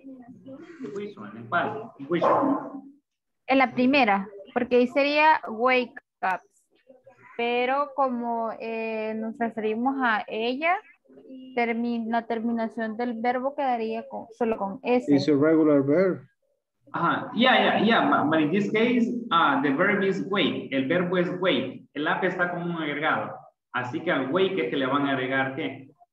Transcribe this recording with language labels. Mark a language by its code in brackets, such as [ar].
[es] ¿En cuál? En la primera, porque ahí sería wake up. Pero como nos referimos a ella, la terminación del verbo quedaría con, solo con S. [en] It's a regular verb. But in this case, the verb is wake. [es] El verbo es wake. El app está como un agregado. Así que al wake es que le van a agregar qué.